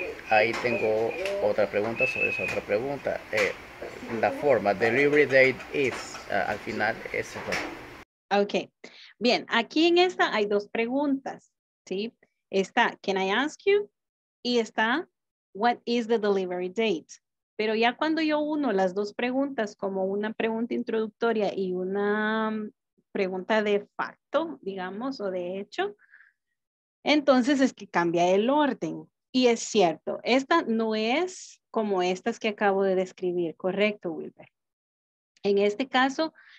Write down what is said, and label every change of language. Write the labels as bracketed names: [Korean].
[Spanish] Ahí tengo otra pregunta sobre esa otra pregunta. La forma, [English] delivery date is, [Spanish] al final, ese es. Ok. Bien, aquí en esta hay dos preguntas, ¿sí? Está, [English] can I ask you, [Spanish] y está, [English] what is the delivery date? [Spanish] Pero ya cuando yo uno las dos preguntas como una pregunta introductoria y una pregunta de facto, digamos, o de hecho, entonces es que cambia el orden. Y es cierto, esta no es como estas que acabo de describir, ¿correcto, Wilber? En este caso,